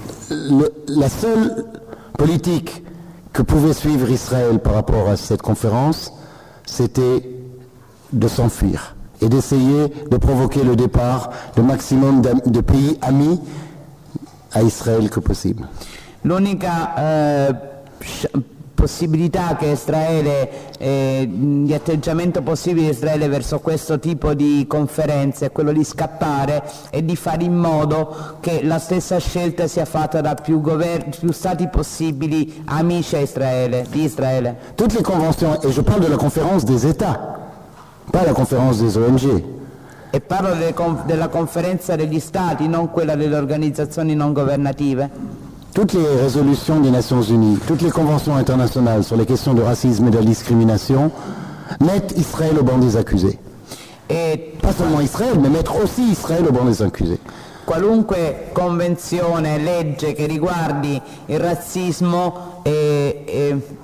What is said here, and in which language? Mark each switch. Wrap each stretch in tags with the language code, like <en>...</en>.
<fr>La seule politique que pouvait suivre Israël par rapport à cette conférence, c'était de s'enfuir et d'essayer de provoquer le départ de maximum de pays amis à Israël que possible.</fr> <it>L'unica possibilità che Israele, di atteggiamento possibile di Israele verso questo tipo di conferenze, è quello di scappare e di fare in modo che la stessa scelta sia fatta da più stati possibili amici di Israele. Tutte le convenzioni, e io parlo della conferenza dei Stati, non la conferenza delle ONG. E parlo della conferenza degli Stati, non quella delle organizzazioni non governative.</it> <fr>Toutes les résolutions des Nations Unies, toutes les conventions internationales sur les questions de racisme et de discrimination mettent Israël au banc des accusés. Et pas seulement Israël, mais mettre aussi Israël au banc des accusés.</fr> <it>Qualunque convenzione, legge che riguardi il razzismo e</it>